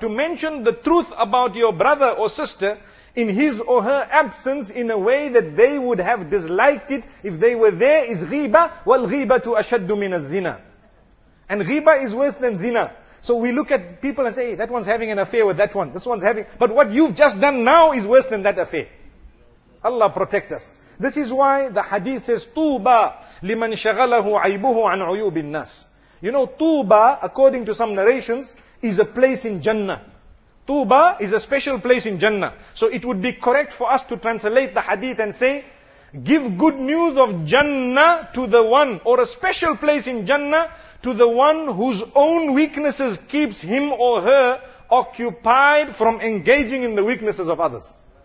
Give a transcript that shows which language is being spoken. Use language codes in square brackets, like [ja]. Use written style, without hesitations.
[en] To mention the truth about your brother or sister in his or her absence in a way that they would have disliked it if they were there is ghiba. [ar] وَالْغِيبَةُ أَشَدُّ مِنَ الزِّنَا. [en] And ghiba is worse than zina. So we look at people and say, hey, that one's having an affair with that one. This one's having... But what you've just done now is worse than that affair. Allah protect us. This is why the hadith says, [ar] طُوبَى لِمَنْ شَغَلَهُ عَيْبُهُ عَنْ عُيُوبِ النَّاسِ. [en] You know, Tuba, according to some narrations, is a place in Jannah. Tuba is a special place in Jannah. So it would be correct for us to translate the hadith and say, give good news of Jannah to the one, or a special place in Jannah, to the one whose own weaknesses keeps him or her occupied from engaging in the weaknesses of others.